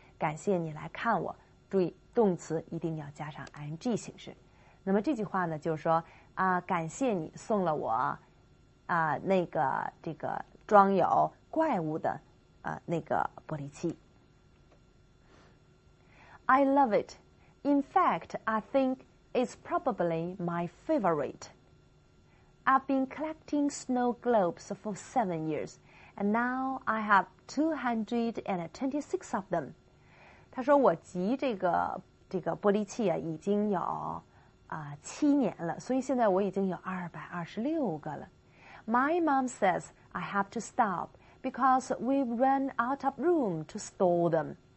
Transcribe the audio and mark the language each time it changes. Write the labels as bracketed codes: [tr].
[zh] 感谢你来看我。注意，动词一定要加上 ing 形式。那么这句话呢，就是说感谢你送了我那个这个装有怪物的那个玻璃器。 [en] I love it. In fact, I think it's probably my favorite. I've been collecting snow globes for 7 years, and now I have 226 of them. [zh] 他说我集这个玻璃器啊已经有七年了，所以现在我已经有226个了。 [en] My mom says I have to stop because we've run out of room to store them.